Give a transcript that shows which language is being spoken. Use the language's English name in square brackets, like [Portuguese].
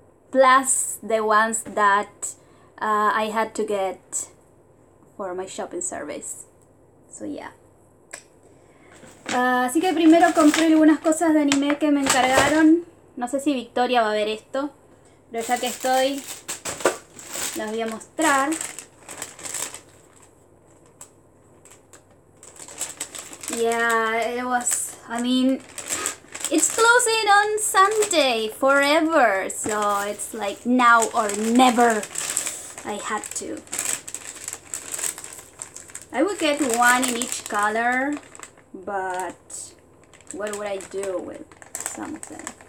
[English] Plus the ones that I had to get for my shopping service. So yeah. [Spanish] Así que primero compré algunas cosas de anime que me encargaron. No sé si Victoria va a ver esto, pero ya que estoy, las voy a mostrar. [English] Yeah, it was, I mean, it's closing on Sunday forever, so it's like now or never. I had to. I would get one in each color, but what would I do with something?